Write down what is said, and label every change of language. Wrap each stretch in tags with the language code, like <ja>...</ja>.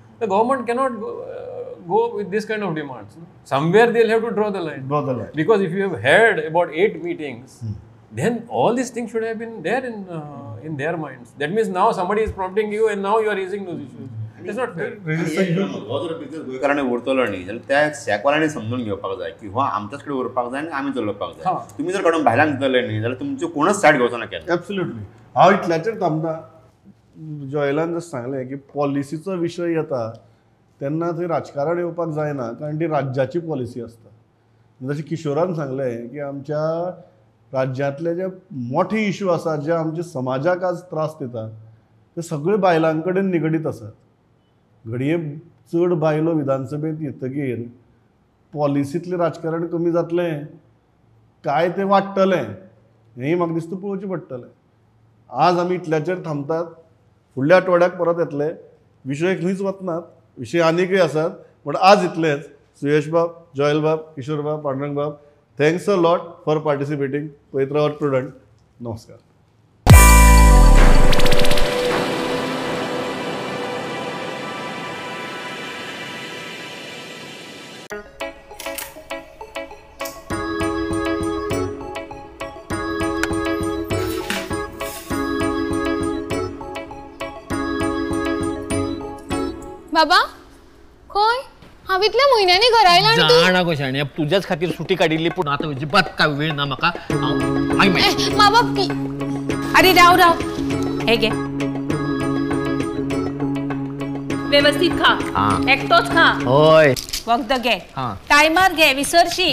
<en>the government cannot go with this kind of demands somewhere they'll have to draw the line because if you have heard about 8 meetings then all these things should have been there in their minds that means now somebody is prompting you and now you are raising those issues</en> <kok>त्या शेकवाल्यांनी समजून घेवपाक जाय की हो आमच्याच कडेन उरपाक जाय आनी आमी चलोवपाक जाय तुमी जर काडून भायल्यांक दितले न्ही जाल्यार तुमचे कोणच सायड घेवचो ना केलें एब्सोल्युटली हांव इतल्याचेर थांबता जॉयलान जर सांगलें की पॉलिसीचो विशय येता तेन्ना थंय राजकारण येवपाक जायना कारण ती राज्याची पॉलिसी आसता जशें किशोरान सांगलें की आमच्या राज्यांतले जे मोठे इश्यू आसात जे आमच्या समाजाक आज त्रास दितात ते सगळे बायलां कडेन निगडीत आसात घडये चड बायलो विधानसभेंत येतकीर पॉलिसींतलें राजकारण कमी जातलें काय तें वाडटलें हेंय म्हाका दिसता पळोवचें पडटलें. आज आमी इतल्याचेर थांबतात फुडल्या आठवड्याक परत येतले विशय खंयच वतनात विशय आनीकय आसात पूण आज इतलेंच. सुयेश बाब जॉयल बाब किशोर बाब पांडुरंग बाब थँक्स अ लॉट फॉर पार्टिसिपेटींग पवित्र और प्रुडंट नमस्कार. बाबा खंय हांव इतल्या म्हयन्यांनी घरा आयला आनी जाणा गो शाणे तुज्याच खातीर सुटी काडिल्ली पूण आतां अजिबात काय वेळ ना म्हाका मा बाप आरे राव राव हे घे वेवस्थित खा एकटोच खा हय वखद घे टायमार घे विसरशी</kok>